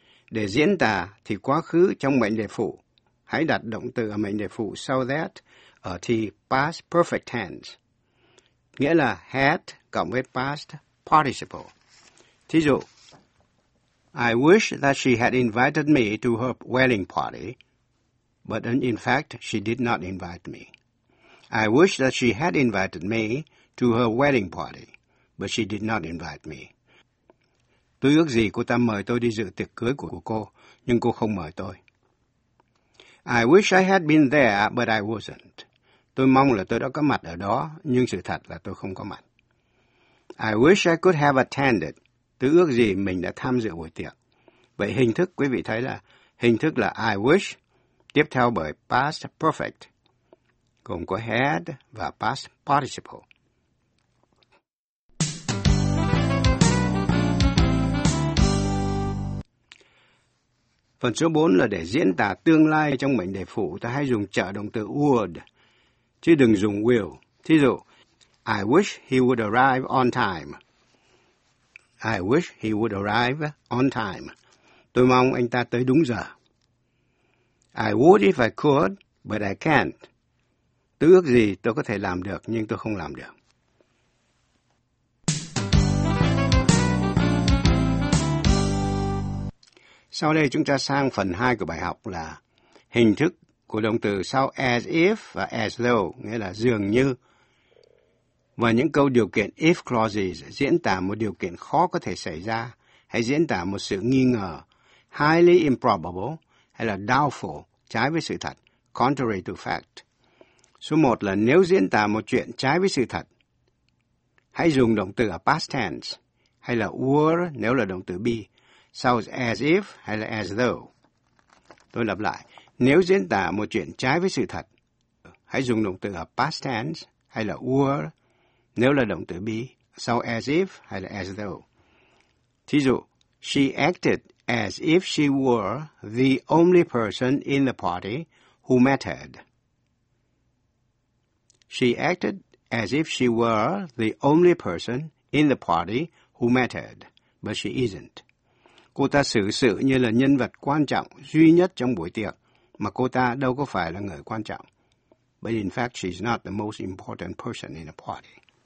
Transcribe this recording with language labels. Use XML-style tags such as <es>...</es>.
<vi>Để diễn tả thì quá khứ trong mệnh đề phụ, hãy đặt động từ ở mệnh đề phụ sau that ở thì past perfect tense. nghĩa là had cộng với past participle. Thí dụ,</vi> <en>I wish that she had invited me to her wedding party, but in fact, she did not invite me. I wish that she had invited me to her wedding party, but she did not invite me.</en> <vi>Tôi ước gì cô ta mời tôi đi dự tiệc cưới của cô, nhưng cô không mời tôi.</vi> <en>I wish I had been there, but I wasn't.</en> <vi>Tôi mong là tôi đã có mặt ở đó, nhưng sự thật là tôi không có mặt.</vi> <en>I wish I could have attended.</en> <vi>Tôi ước gì mình đã tham dự buổi tiệc. Vậy hình thức, quý vị thấy là, hình thức là I wish, tiếp theo bởi past perfect, gồm có had và past participle. Phần số 4 là để diễn tả tương lai trong mệnh đề phụ, ta hay dùng trợ động từ would, chứ đừng dùng will. Thí dụ,</vi> <en>I wish he would arrive on time. I wish he would arrive on time.</en> <vi>Tôi mong anh ta tới đúng giờ.</vi> <en>I would if I could, but I can't.</en> <vi>Tôi ước gì tôi có thể làm được, nhưng tôi không làm được. Sau đây chúng ta sang phần 2 của bài học là hình thức của động từ sau as if và as though, nghĩa là dường như, và những câu điều kiện if clauses diễn tả một điều kiện khó có thể xảy ra, hay diễn tả một sự nghi ngờ,</vi> <en>highly improbable,</en> <vi>hay là doubtful, trái với sự thật,</vi> <en>contrary to fact.</en> <vi>Số 1 là nếu diễn tả một chuyện trái với sự thật, hãy dùng động từ ở past tense, hay là were nếu là động từ be, sau as if hay là as though. Tôi lặp lại, nếu diễn tả một chuyện trái với sự thật, hãy dùng động từ ở past tense hay là were nếu là động từ be, sau as if hay là as though. Thí dụ,</vi> <en>she acted as if she were the only person in the party who mattered. She acted as if she were the only person in the party who mattered, but she isn't.</en> <vi>Cô ta xử sự như là nhân vật quan trọng duy nhất trong buổi tiệc, mà cô ta đâu có phải là người quan trọng.</vi> <en>But in fact, she's not the most important person in the party.</en>